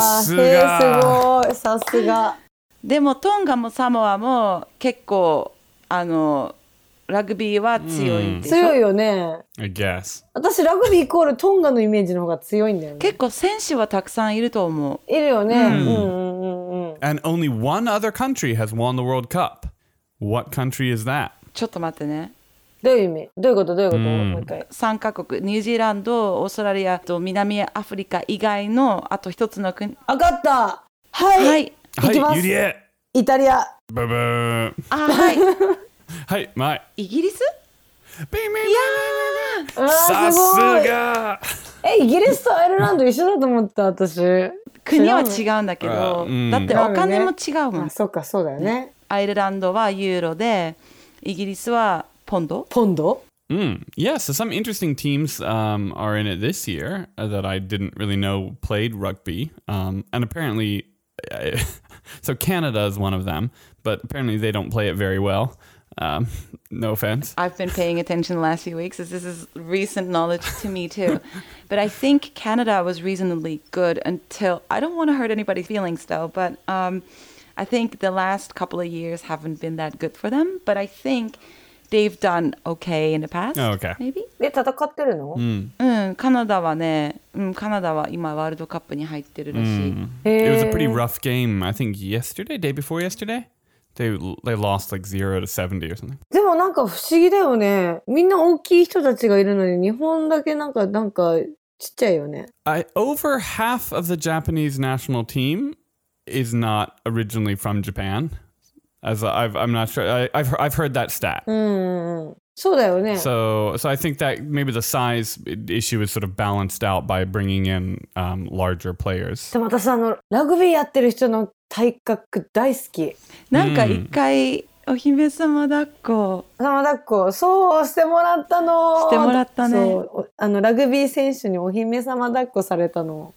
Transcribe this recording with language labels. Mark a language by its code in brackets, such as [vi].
[ja] さすが。すごい、さすが。でもトンガもサモアも結構あの。ラグビーは強いでしょ。強いよね。 [en] I guess. [ja] 私ラグビーイコールトンガのイメージの方が強いんだよね。結構選手はたくさんいると思う。いるよね。 [en] And only one other country has won the World Cup. What country is that? [ja] ちょっと待ってね。どういう意味？どういうこと？どういうこと？もう一回。三カ国、ニュージーランド、オーストラリアと南アフリカ以外のあと一つの国。わかった。はい。はい。いきます。はい、イタリア。ブブー。あー、はい。はい、まい。イギリス？ビミミミミミ。さすが。え、イギリスとアイルランド一緒だと思った私。国は違うんだけど、だってお金も違うもん。そうか、そうだよね。アイルランドはユーロで、イギリスはポンド？ポンド？ [en] Yeah, so some interesting teams are in it this year that I didn't really know played rugby. And apparently, so Canada is one of them, but apparently they don't play it very well. No offense. I've been paying attention the last few weeks, as this is recent knowledge to me too. But I think Canada was reasonably good until... I don't want to hurt anybody's feelings though, but I think the last couple of years haven't been that good for them. But I think they've done okay in the past. Oh, okay. Maybe? [ja] で、戦ってるの？カナダはね、カナダは今ワールドカップに入ってるらしい。 [en] It was a pretty rough game, I think yesterday, day before yesterday? They lost like 0-70 or something. [ja] でもなんか不思議だよね。みんな大きい人たちがいるのに、日本だけなんかちっちゃいよね。 [en] Over half of the Japanese national team is not originally from Japan. As I'm not sure. I've heard that stat. [ja] そうだよね。 [en] So I think that maybe the size issue is sort of balanced out by bringing in larger players. [ja] でも私あのラグビーやってる人の体格大好き。なんか一回お姫様抱っこ。様抱っこ、そうしてもらったの。してもらったね。あのラグビー選手にお姫様抱っこされたの。